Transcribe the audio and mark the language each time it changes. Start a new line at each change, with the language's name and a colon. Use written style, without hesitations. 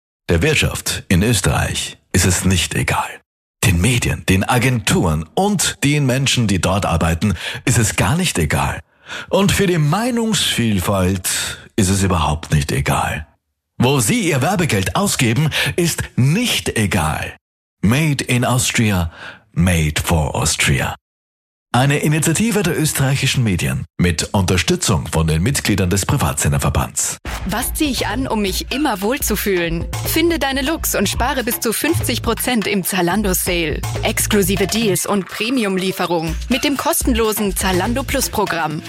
German: Der Wirtschaft in Österreich ist es nicht egal. Den Medien, den Agenturen und den Menschen, die dort arbeiten, ist es gar nicht egal. Und für die Meinungsvielfalt ist es überhaupt nicht egal. Wo sie ihr Werbegeld ausgeben, ist nicht egal.
English: Made in Austria, made for Austria.
German: Eine Initiative der österreichischen Medien mit Unterstützung von den Mitgliedern des Privatsenderverbands. Was ziehe ich an, um mich immer wohlzufühlen? Finde deine Looks und spare bis zu 50% im Zalando Sale. Exklusive Deals und Premium-Lieferung mit dem kostenlosen Zalando Plus Programm.